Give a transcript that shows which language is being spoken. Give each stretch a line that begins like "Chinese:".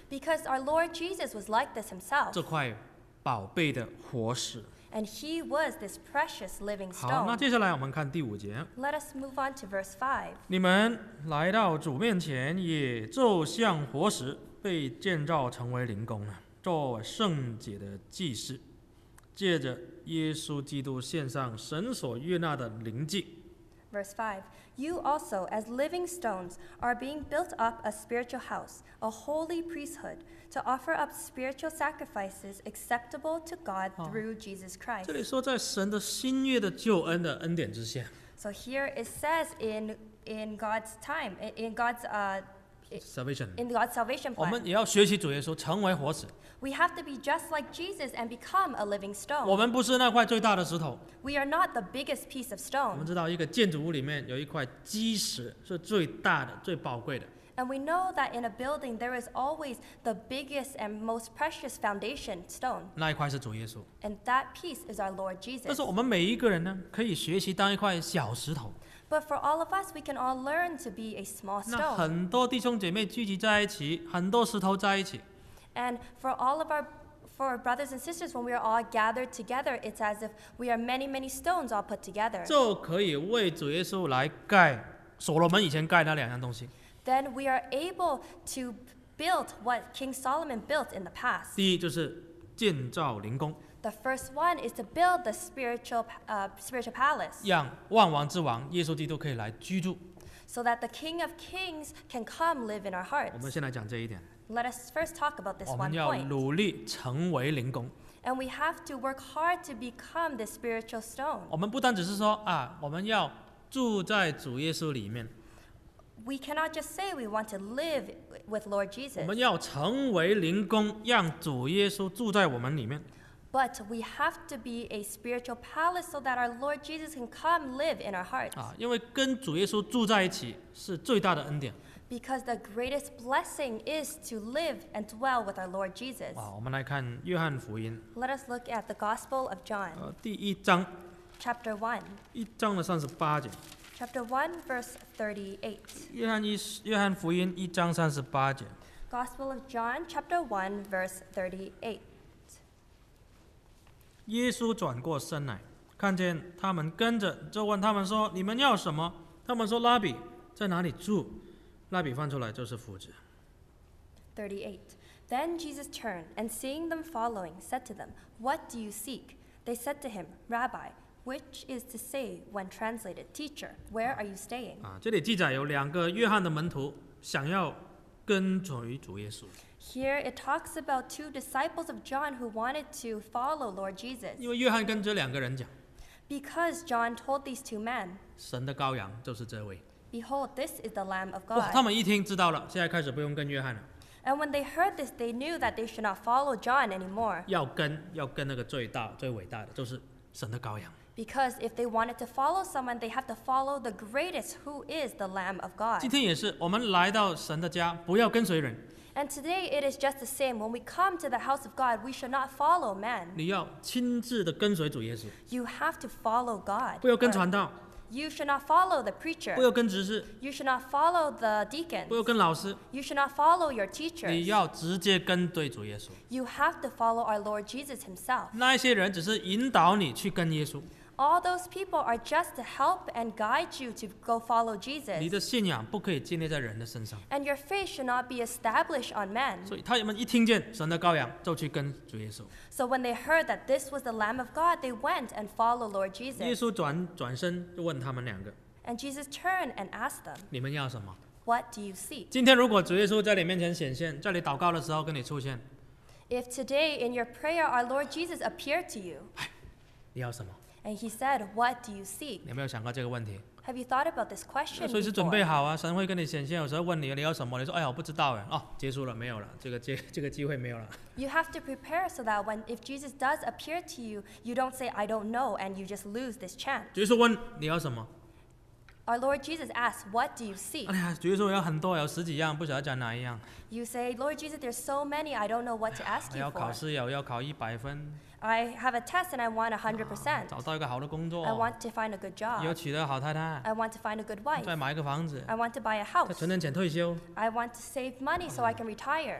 English: Because our Lord Jesus was like this himself.
Chinese: 这块宝贝的活石。
English: And he was this precious living stone.
Chinese: 好，那接下来我们看第五节。
English: Let us move on to verse 5.
Chinese: 你们来到主面前，也就像活石被建造成为灵宫了，做圣洁的祭司，借着耶稣基督献上神所悦纳的灵祭。
English: Verse 5. You also, as living stones, are being built up a spiritual house, a holy priesthood. To offer up spiritual sacrifices acceptable to God through Jesus Christ.
Chinese: 这里说在神的新约的救恩的恩典之下。
English: So here it says in God's time, in God's salvation. In God's salvation plan.
Chinese: 我们也要学习主耶稣成为活石。
English: We have to be just like Jesus and become a living stone.
Chinese: 我们不是那块最大的石头。
English: We are not the biggest piece of stone.
Chinese: 我们知道一个建筑物里面有一块基石是最大的、最宝贵的。
English: And we know that in a building, there is always the biggest and most precious foundation stone.
Chinese: 那一块是主耶稣。
English: And that piece is our Lord Jesus.
Chinese: 但是我们每一个人呢，可以学习当一块小石头。
English: But for all of us, we can all learn to be a small stone.
Chinese: 那很多弟兄姐妹聚集在一起，很多石头在一起。
English: And for all of our brothers and sisters, when we are all gathered together, it's as if we are many, many stones all put together.
Chinese: 就可以为主耶稣来盖所罗门以前盖那两样东西。
English: Then we are able to build what King Solomon built in the past.
Chinese: 第一就是建造灵宫。
English: The first one is to build the spiritual palace.
Chinese: 让万王之王耶稣基督可以来居住。
English: So that the King of Kings can come live in our hearts.
Chinese: 我们先来讲这一点。
English: Let us first talk about this one point.
Chinese: 我们要努力成为灵工。
English: And we have to work hard to become the spiritual stone.
Chinese: 我们不单只是说啊，我们要住在主耶稣里面。
English: We cannot just say we want to live with Lord Jesus.
Chinese: 我们要成为灵工，让主耶稣住在我们里面。
English: But we have to be a spiritual palace so that our Lord Jesus can come live in our hearts.
Chinese: 因为跟主耶稣住在一起是最大的恩典。
English: Because the greatest blessing is to live and dwell with our Lord Jesus.
Chinese: 我们来看约翰福音。
English: Let us look at the Gospel of John.
Chinese: 第一章。
English: Chapter 1.
Chinese: 一章的三十八节。
English: Chapter 1, verse 38.
Chinese: 约翰福音一章三十八节。
English: Gospel of John, chapter 1, verse 38.
Chinese: 耶稣转过身来，看见他们跟着，就问他们说：“你们要什么？” 他们说：“拉比，在哪里住？” 拉比翻出来就是夫子。
English: 38. Then Jesus turned and seeing them following, said to them, "What do you seek?" They said to him, "Rabbi," which is to say, when translated, "Teacher," "Where are you staying?"
Chinese: 这里记载有两个约翰的门徒想要跟随主耶稣。
English: Here it talks about two disciples of John who wanted to follow Lord Jesus.
Chinese: 因为约翰跟这两个人讲，
English: Because John told these two men,
Chinese: 神的羔羊就是这位。
English: Behold, this is the Lamb of God.
Chinese: 他们一听知道了，现在开始不用跟约翰了。
English: And when they heard this, they knew that they should not follow John anymore.
Chinese: 要跟那个最大最伟大的，就是神的羔羊。
English: Because if they wanted to follow someone, they have to follow the greatest, who is the Lamb of God.
Chinese: 今天也是，我们来到神的家，不要跟随人。
English: And today it is just the same. When we come to the house of God, we should not follow men.
Chinese: 你要亲自的跟随主耶稣。
English: You have to follow God.
Chinese: 不要跟传道。
English: You should not follow the preacher.
Chinese: 不要跟执事。
English: You should not follow the deacons.
Chinese: 不要跟老师。
English: You should not follow your teachers.
Chinese: 你要直接跟对主耶稣。
English: You have to follow our Lord Jesus himself.
Chinese: 那些人只是引导你去跟耶稣。
English: All those people are just to help and guide you to go follow Jesus.
Chinese: 你的信仰不可以建立在人的身上。
English: And your faith should not be established on men.
Chinese: 所以他们一听见神的羔羊，就去跟主耶稣。
English: So when they heard that this was the Lamb of God, they went and followed Lord Jesus.
Chinese: 耶稣转身就问他们两个。
English: And Jesus turned and asked them,
Chinese: 你们要什么？
English: What do you seek?
Chinese: 今天如果主耶稣在你面前显现，在你祷告的时候跟你出现。
English: If today in your prayer our Lord Jesus appeared to you,
Chinese: 你要什么？
English: And he said, "What do you seek?"
Chinese: 你有没有想过这个问题？
English: Have you thought about this question?
Chinese: 所以是准备好啊，神会跟你显现，有时候问你你要什么，你说哎呀我不知道哎，哦结束了没有了，这个机会没有了。
English: You have to prepare so that when if Jesus does appear to you, you don't say I don't know and you just lose this chance.
Chinese: 主耶稣问你要什么？
English: Our Lord Jesus asks, "What do you seek?"
Chinese: 哎呀，主耶稣有很多，有十几样，不晓得讲哪一样。
English: You say, "Lord Jesus, there's so many, I don't know what to ask you for."
Chinese: 要考试，要考一百分。
English: I have a test and I want 100%.
Chinese: 找到一个好的工作。
English: I want to find a good job.
Chinese: 要娶到好太太。
English: I want to find a good wife.
Chinese: 再买一个房子。
English: I want to buy a house.
Chinese: 再存点钱退休。
English: I want to save money so I can retire.